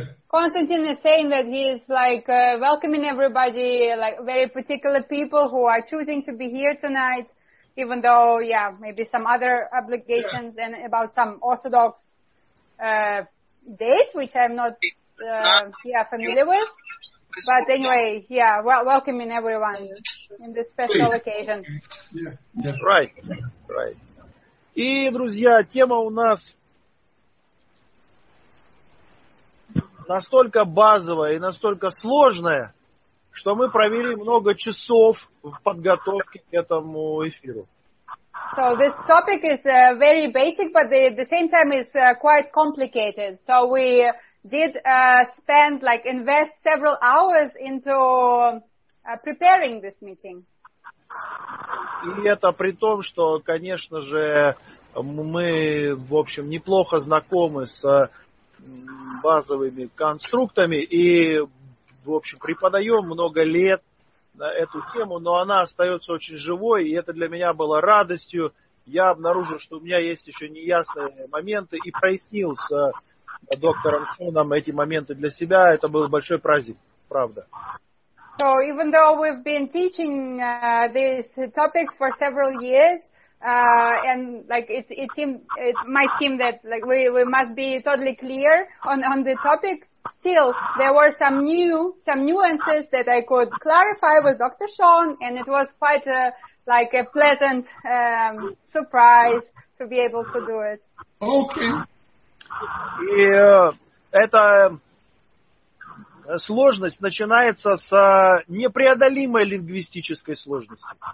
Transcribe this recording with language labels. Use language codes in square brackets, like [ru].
[en] Constantine is saying that he is like welcoming everybody, like very particular people who are choosing to be here tonight, even though, yeah, maybe some other obligations and about some Orthodox date, which I'm not familiar with. But anyway, yeah, welcoming everyone in this special occasion. Yeah. Right, right. [ru] И, друзья, тема у нас настолько базовая и настолько сложная, что мы провели много часов в подготовке к этому эфиру. [en] So this topic is very basic, but at the same time is quite complicated. So we did spend, like, invest several hours into preparing this meeting. [ru] И это при том, что, конечно же, мы, в общем, неплохо знакомы с базовыми конструктами и, в общем, преподаем много лет на эту тему, но она остается очень живой, и это для меня было радостью. Я обнаружил, что у меня есть еще неясные моменты, и прояснил с доктором Шоном эти моменты для себя. Это был большой праздник, правда. [en] So, even though we've been teaching these topics for several years, and like it might seem that like we must be totally clear on the topic, still there were some nuances that I could clarify with Dr. Sean, and it was quite a pleasant surprise to be able to do it. Okay. [ru] Это сложность начинается с непреодолимой лингвистической сложности.